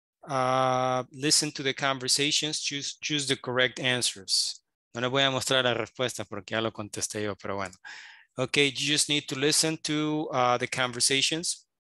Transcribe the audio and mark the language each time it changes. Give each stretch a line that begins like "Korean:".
English: listen to the conversations, choose the correct answers.
Spanish: No les voy a mostrar la respuesta porque ya lo contesté yo, pero bueno.
English: Okay, you just need to listen to the conversations.